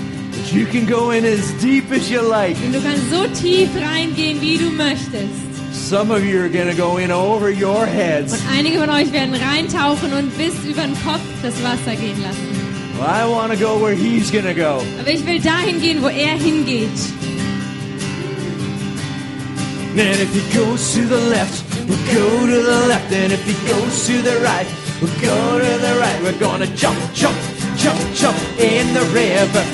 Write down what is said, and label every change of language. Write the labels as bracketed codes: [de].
[en] But you can go in as deep as you like. [de] Und du kannst so tief reingehen, wie du möchtest. [en] Some of you are going to go in over your heads. [de] Und einige von euch werden reintauchen und bis über den Kopf das Wasser gehen lassen. [en] Well, I want to go where he's going to go. [de] Aber ich will dahin gehen, wo hingeht. [en] And if he goes to the left, we'll go to the left. And if he goes to the right, we'll go to the right. We're going to jump, jump, jump, jump in the river.